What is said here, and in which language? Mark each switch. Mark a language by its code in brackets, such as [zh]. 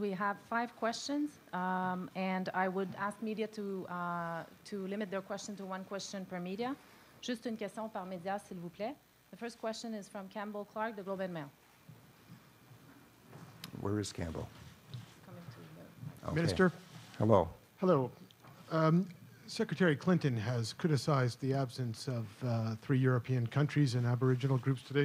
[en] We have 5 questions, and I would ask media to limit their question to 1 question per media. [fr] Juste une question par média, s'il vous plaît. [en] The first question is from Campbell Clark, The Globe and Mail. Where is Campbell? Coming to the okay. Minister. Hello. Hello. Secretary Clinton has criticized the absence of 3 European countries and Aboriginal groups today.